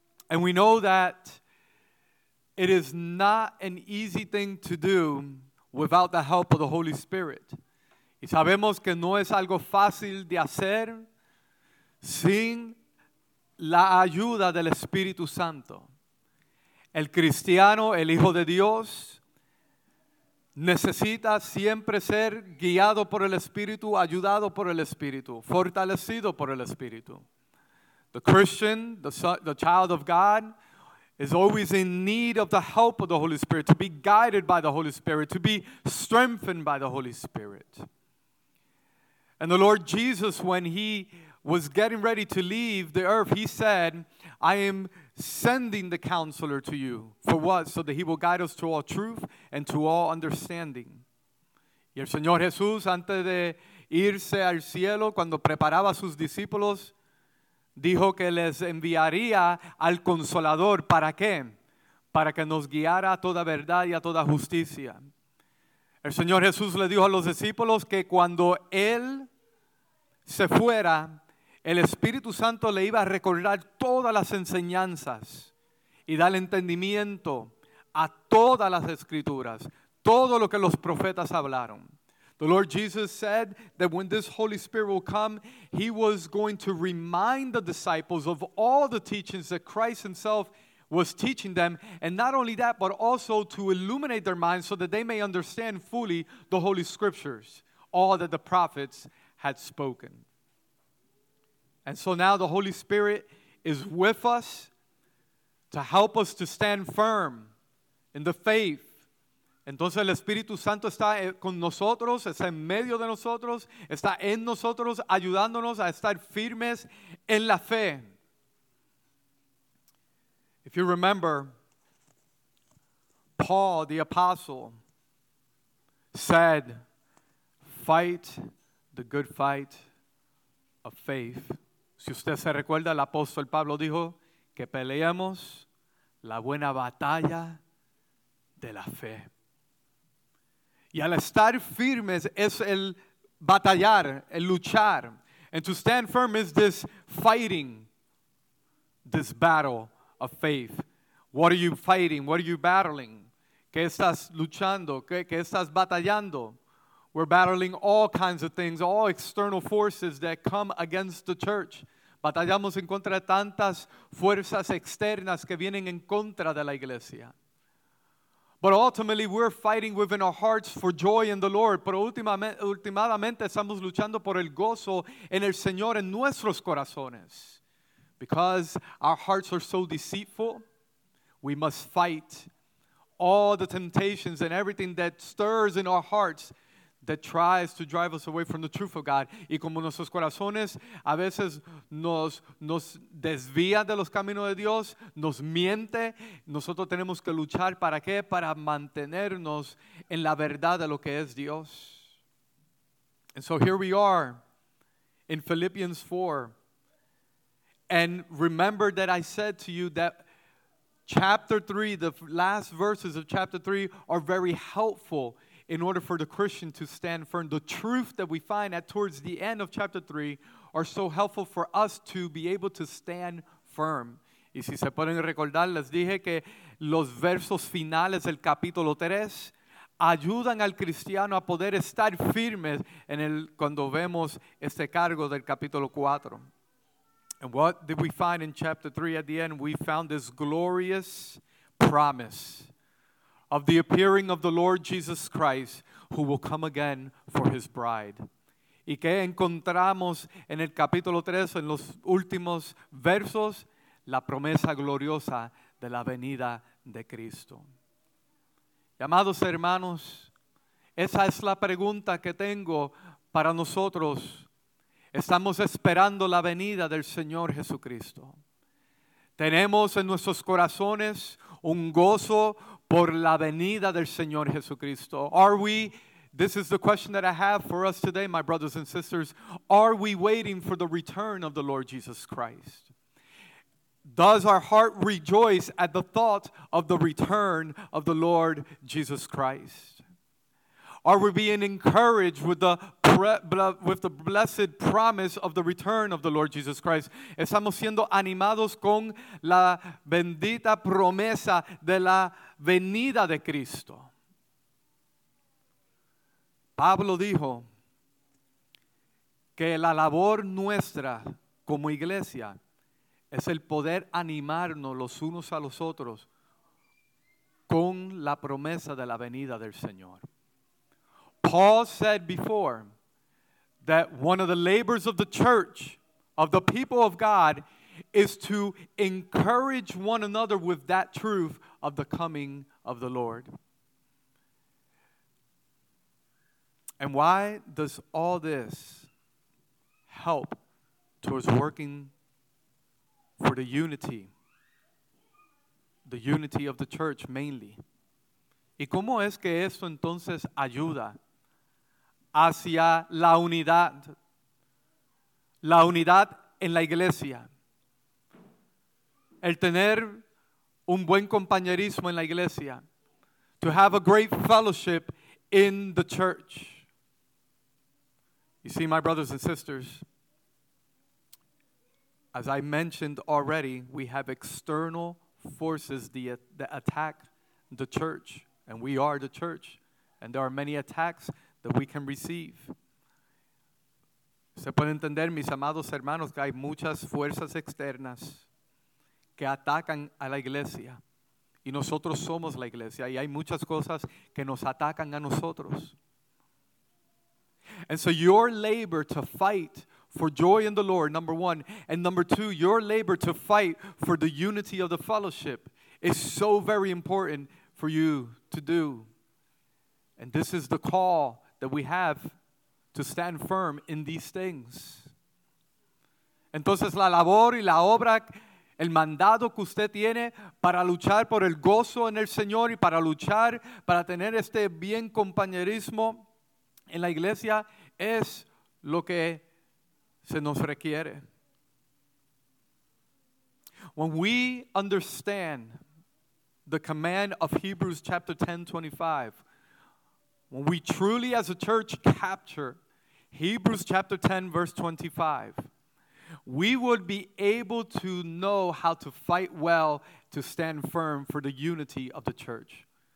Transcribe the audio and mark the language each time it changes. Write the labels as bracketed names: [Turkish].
[English] And we know that it is not an easy thing to do without the help of the Holy Spirit. [Spanish] Y sabemos que no es algo fácil de hacer sin la ayuda del Espíritu Santo. El cristiano, el hijo de Dios, necesita siempre ser guiado por el Espíritu, ayudado por el Espíritu, fortalecido por el Espíritu. [English] The Christian, the child of God, is always in need of the help of the Holy Spirit, to be guided by the Holy Spirit, to be strengthened by the Holy Spirit. And the Lord Jesus, when he was getting ready to leave the earth, he said, I am sending the counselor to you. For what? So that he will guide us to all truth and to all understanding. [Spanish] Y el Señor Jesús, antes de irse al cielo, cuando preparaba a sus discípulos, dijo que les enviaría al Consolador. ¿Para qué? Para que nos guiara a toda verdad y a toda justicia. El Señor Jesús le dijo a los discípulos que cuando Él se fuera, el Espíritu Santo le iba a recordar todas las enseñanzas y dar entendimiento a todas las escrituras, todo lo que los profetas hablaron. [English] The Lord Jesus said that when this Holy Spirit will come, he was going to remind the disciples of all the teachings that Christ himself was teaching them, and not only that, but also to illuminate their minds so that they may understand fully the Holy Scriptures, all that the prophets had spoken. And so now the Holy Spirit is with us to help us to stand firm in the faith. [Spanish] Entonces el Espíritu Santo está con nosotros, está en medio de nosotros, está en nosotros, ayudándonos a estar firmes en la fe. [English] If you remember, Paul the Apostle said, fight the good fight of faith. [Spanish] Si usted se recuerda, el apóstol Pablo dijo que peleemos la buena batalla de la fe. Y al estar firmes es el batallar, el luchar. [English] And to stand firm is this fighting, this battle of faith. What are you fighting? What are you battling? [Spanish] ¿Qué estás luchando? ¿Qué estás batallando? [English] We're battling all kinds of things, all external forces that come against the church. [Spanish] Batallamos en contra de tantas fuerzas externas que vienen en contra de la iglesia. [English] But ultimately, we're fighting within our hearts for joy in the Lord. [Spanish] Pero últimamente estamos luchando por el gozo en el Señor en nuestros corazones. [English] Because our hearts are so deceitful, we must fight all the temptations and everything that stirs in our hearts that tries to drive us away from the truth of God. [Spanish] Y como nuestros corazones a veces nos desvía de los caminos de Dios, nos miente, nosotros tenemos que luchar, ¿para qué? Para mantenernos en la verdad de lo que es Dios. [English] And so here we are in Philippians 4. And remember that I said to you that chapter 3, the last verses of chapter 3 are very helpful in order for the Christian to stand firm. The truth that we find at towards the end of chapter 3 are so helpful for us to be able to stand firm. [Spanish] Y si se pueden recordar, les dije que los versos finales del capítulo 3 ayudan al cristiano a poder estar firmes en el cuando vemos este cargo del capítulo 4. [English] And what did we find in chapter 3 at the end? We found this glorious promise of the appearing of the Lord Jesus Christ, who will come again for his bride. [Spanish] ¿Y qué encontramos en el capítulo 3, en los últimos versos? La promesa gloriosa de la venida de Cristo. Amados hermanos, esa es la pregunta que tengo para nosotros. Estamos esperando la venida del Señor Jesucristo. Tenemos en nuestros corazones un gozo por la venida del Señor Jesucristo. [English] Are we, this is the question that I have for us today, my brothers and sisters. Are we waiting for the return of the Lord Jesus Christ? Does our heart rejoice at the thought of the return of the Lord Jesus Christ? Are we being encouraged with the blessed promise of the return of the Lord Jesus Christ? [Spanish] Estamos siendo animados con la bendita promesa de la venida de Cristo. Pablo dijo que la labor nuestra como iglesia es el poder animarnos los unos a los otros con la promesa de la venida del Señor. [English] Paul said before that one of the labors of the church, of the people of God, is to encourage one another with that truth of the coming of the Lord. And why does all this help towards working for the unity of the church mainly? [Spanish] ¿Y cómo es que esto entonces ayuda hacia la unidad en la iglesia? El tener un buen compañerismo en la iglesia. [English] To have a great fellowship in the church. You see, my brothers and sisters, as I mentioned already, we have external forces that attack the church, and we are the church, and there are many attacks that we can receive. [Spanish] Se puede entender, mis amados hermanos, que hay muchas fuerzas externas que atacan a la iglesia, y nosotros somos la iglesia, y hay muchas cosas que nos atacan a nosotros. [English] And so your labor to fight for joy in the Lord, number one. And number two, your labor to fight for the unity of the fellowship is so very important for you to do. And this is the call that we have to stand firm in these things. [Spanish] Entonces la labor y la obra, el mandado que usted tiene para luchar por el gozo en el Señor y para luchar para tener este bien compañerismo en la iglesia es lo que se nos requiere. [English] When we understand the command of Hebrews chapter 10:25, when we truly as a church capture Hebrews chapter 10 verse 25, we would be able to know how to fight well to stand firm for the unity of the church.